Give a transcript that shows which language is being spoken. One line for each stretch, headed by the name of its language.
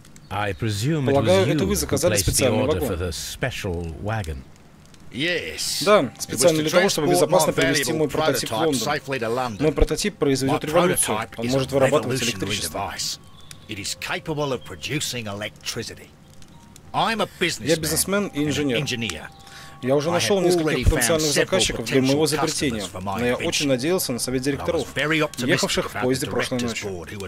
English: I presume
Russian: полагаю,
English: it was
Russian: это
English: you
Russian: вы заказали специальный вагон.
English: For the special wagon.
Russian: Да, специально для того, чтобы безопасно привезти мой прототип в Лондон. Мой прототип произведет революцию. Он может вырабатывать электричество.
English: It is capable of producing electricity. I'm a businessman.
Russian: Я бизнесмен и инженер. Я уже нашел несколько потенциальных заказчиков для моего изобретения, но я очень надеялся на совет директоров, ехавших в поезде прошлой ночью.